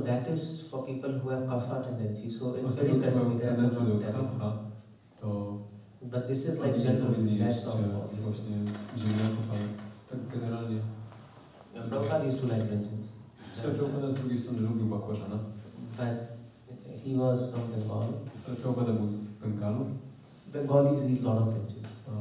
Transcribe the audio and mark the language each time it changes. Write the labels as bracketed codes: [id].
[en] That is for people who have kapha tendency. So it's very specific. That's not kapha. But this is like general. Less of all. Prabhupada used to like brinjals. [pl] Prabhupada z drugiej strony lubił bakłażana. [en] But he was from Bengal. [pl] Prabhupada był z Bengalu. [en] Bengalis eat a lot of brinjals.